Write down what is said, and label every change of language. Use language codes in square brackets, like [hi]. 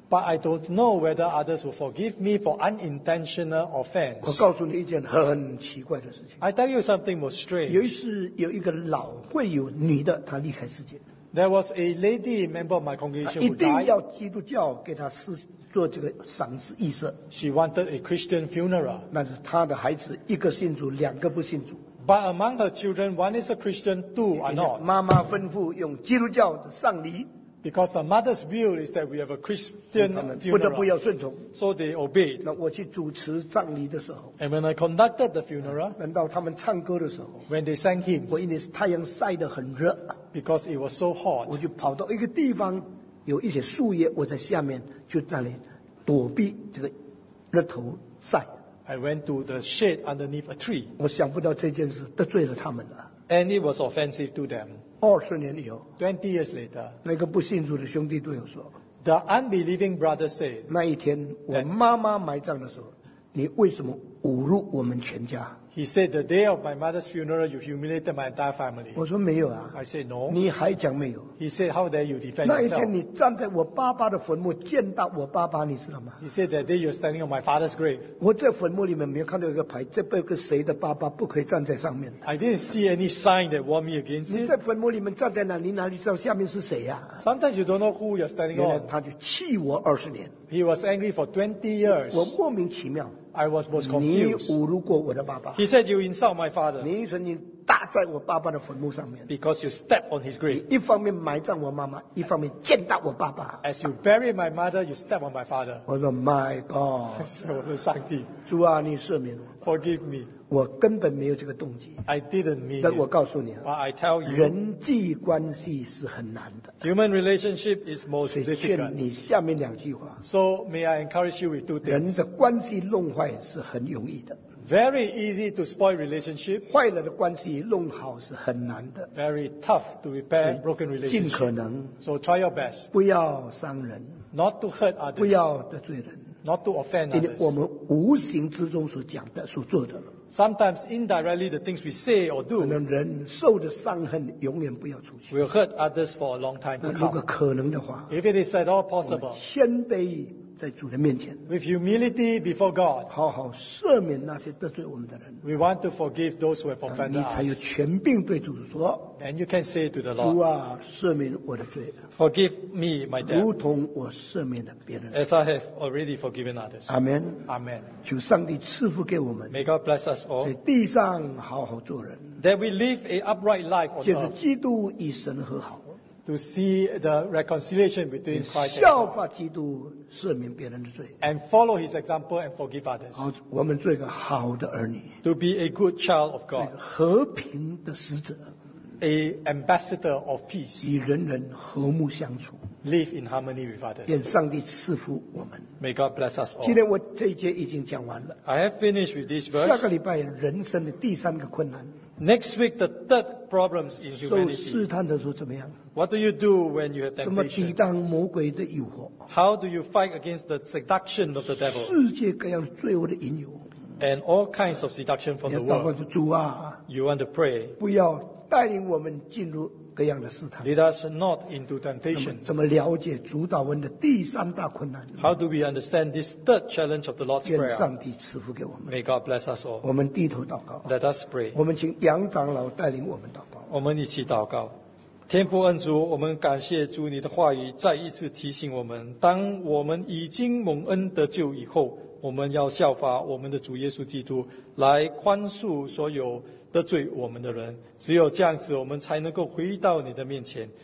[en] But I don't know whether others will forgive me for unintentional offense. [zh] 我告诉你一件很奇怪的事情。 [en] I tell you something more strange. [zh] 有一次有一个老会友女的，她离开世界。 [en] There was a lady, a member of my congregation, who died. [zh] 一定要基督教给她做这个丧事仪式。 [en] She wanted a Christian funeral. [zh] 那是她的孩子，一个信主，两个不信主。 [en] But among her children, one is a Christian, two are not. [zh] 妈妈吩咐用基督教的丧礼。 [en] Because the mother's will is that we have a Christian funeral. [zh] 不得不要顺从。 [en] So they obeyed. [zh] 那我去主持葬礼的时候。 [en] And when I conducted the funeral, [zh] 难道他们唱歌的时候, [en] when they sang hymns, [zh] 我因为太阳晒得很热。 [en] Because it was so hot. [zh] 我就跑到一个地方，有一些树叶, 我在下面就在那里躲避这个日头晒。 [en] I went to the shade underneath a tree. [zh] 我想不到这件事得罪了他们了。 [en] And it was offensive to them. [zh] 20年以后, [en] 20 years later, [zh] 那个不信主的兄弟对我说, [en] the unbelieving brother said, [zh] 那一天我妈妈埋葬的时候, 你为什么侮辱我们全家? [en] He said, the day of my mother's funeral, you humiliated my entire family. [zh] 我说没有啊, [en] I said, no. [zh] 你还讲没有? [en] He said, how dare you defend [zh] 那一天, [en] yourself? [zh] 那一天你站在我爸爸的坟墓, 见到我爸爸, 你知道吗? [en] He said, that day you're standing on my father's grave. [zh] 我在坟墓里面没有看到一个牌, 这个谁的爸爸, 不可以站在上面。 [en] I didn't see any sign that warned me against it. [zh] 你在坟墓里面站在哪里, 哪里知道下面是谁啊? [en] Sometimes you don't know who you're standing on. [zh] 他就气我20年。 [en] He was angry for 20 years. [zh] 我莫名其妙。 [en] I was most confused. He said, you insult my father. [zh] 你一说你打在我爸爸的坟墓上面, [en] because you stepped on his grave. [zh] 一方面埋葬我妈妈, 一方面见到我爸爸, [en] as you buried my mother, you stepped on my father. [zh] 我说, [en] my God. [zh] 我说, 上帝, 主啊, 你赦免我, [en] forgive me. [zh] 我根本没有这个动机。 [en] I didn't mean it. [zh] 但我告诉你啊， [en] but I tell you, [zh] 人际关系是很难的。 [en] Human relationship is most difficult. [zh] 劝你下面两句话。 [en] So may I encourage you with two things. [zh] 人的关系弄坏是很容易的。 [en] Very easy to spoil relationship. [zh] 坏了的关系弄好是很难的。 [en] Very tough to repair broken relationship. [zh] 尽可能。 [en] So try your best. [zh] 不要伤人。 [en] Not to hurt others. [zh] 不要得罪人。 [en] Not to offend others. [zh] 因为我们无形之中所讲的、所做的。 [en] Sometimes indirectly the things we say or do. [zh] 可能人受的伤痕永远不要出去。 [en] Will hurt others for a long time to come. [zh] 如果可能的话。 [en] If it is at all possible. [zh] 谦卑。在主的面前 [en] with humility before God, [zh] 好好赦免那些得罪我们的人 [en] we want to forgive those who have offended us, [zh] 你才有权柄对主说 [en] and you can say to the Lord, [zh] 主啊赦免我的罪 [en] forgive me my debt, [zh] 如同我赦免了别人 [en] as I have already forgiven others, Amen, Amen, [zh] 求上帝赐福给我们 [en] may God bless us all, [zh] 在地上好好做人 [en] that we live an upright life on earth, [zh] 就是基督与神和好 [en] To see the reconciliation between Christ and God. [zh] 效法基督赦免别人的罪。 [en] And follow his example and forgive others. [zh] 好，我们做一个好的儿女。 [en] To be a good child of God. [zh] 和平的使者。 [en] A ambassador of peace. [zh] 与人人和睦相处。 [en] Live in harmony with others. [zh] 愿上帝赐福我们。 [en] May God bless us all. [zh] 今天我这一节已经讲完了。 [en] I have finished with this verse. [zh] 下个礼拜人生的第三个困难。 [en] Next week, the third problems in humanity. [zh] 受试探的时候怎么样？ [en] What do you do when you have temptation? [zh] 怎么抵挡魔鬼的诱惑？ [en] How do you fight against the seduction of the devil? [zh] 世界各样罪恶的引诱。 [en] And all kinds of seduction from the world. [zh] 你要祷告主啊。 [en] You want to pray. [zh] 不要带领我们进入各样的试探。 [en] Lead us not into temptation. [zh] 怎么了解主导文的第三大困难？ [en] How do we understand this third challenge of the Lord's Prayer? [zh] 愿上帝赐福给我们。 [en] May God bless us all. [zh] 我们低头祷告。 [en] Let us pray. [zh] 我们请杨长老带领我们祷告。我们一起祷告。天父恩主，我们感谢主你的话语再一次提醒我们，当我们已经蒙恩得救以后，我们要效法我们的主耶稣基督来宽恕所有得罪我们的人，只有这样子我们才能够回到你的面前。